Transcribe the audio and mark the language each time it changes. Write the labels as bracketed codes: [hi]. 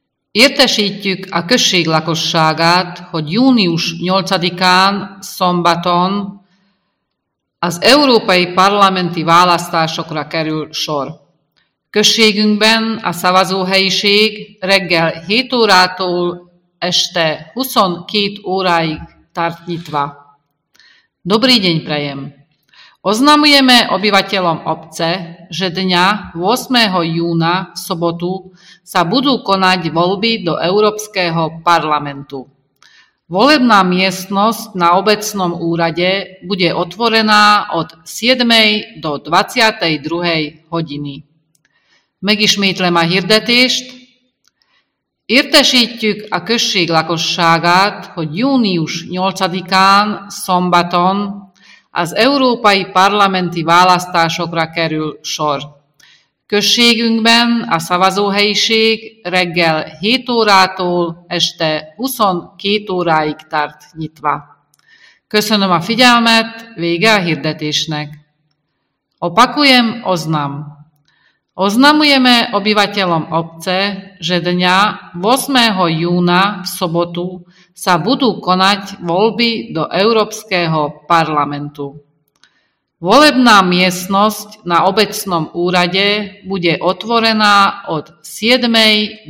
[hu] Értesítjük a község lakosságát, hogy június 8-án szombaton az európai parlamenti választásokra kerül sor. Községünkben a szavazóhelyiség reggel 7 órától este 22 óráig tart nyitva. [sk] Dobrý deň prajem! Oznamujeme obyvateľom obce, že dňa 8. júna v sobotu sa budú konať voľby do Európskeho parlamentu. Volebná miestnosť na obecnom úrade bude otvorená od 7. do 22. hodiny. [hu] Megismétlem a hirdetést. Értesítjük a község lakosságát, hogy június 8-án szombaton az európai parlamenti választásokra kerül sor. Községünkben a szavazóhelyiség reggel 7 órától este 22 óráig tart nyitva. Köszönöm a figyelmet, vége a hirdetésnek. [sk] Opakujem, oznam. Oznamujeme obyvateľom obce, že dňa 8. júna v sobotu sa budú konať voľby do Európskeho parlamentu. Volebná miestnosť na obecnom úrade bude otvorená od 7.